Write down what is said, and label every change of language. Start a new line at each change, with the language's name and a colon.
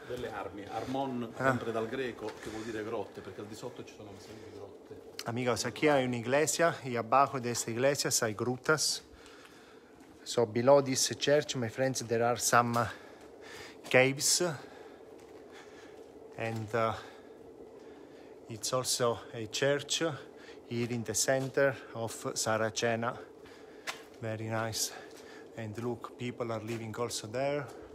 Italian: Delle armi, Armon, sempre dal greco, che vuol dire grotte, perché al di sotto ci sono sempre grotte.
Spanish: Amigos, aquí hay una iglesia, y abajo de esta iglesia hay grutas.
English: So, below this church, my friends, there are some caves. And it's also a church here in the center of Saracena. Very nice. And look, people are living also there.